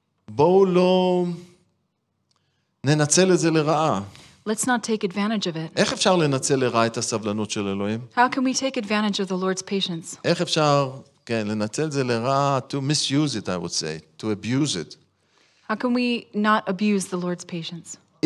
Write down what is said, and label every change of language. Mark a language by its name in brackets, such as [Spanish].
[Hebrew] בואו לא ננצל את זה לרעה. [English] Let's not take advantage of it. [Hebrew] איך אפשר לנצל לרעה את הסבלנות של אלוהים? [English] How can we take advantage of the Lord's patience? [Hebrew] איך אפשר, כן, לנצל זה לרעה, [English] to misuse it, I would say, to abuse it. How can we not abuse the Lord's patience?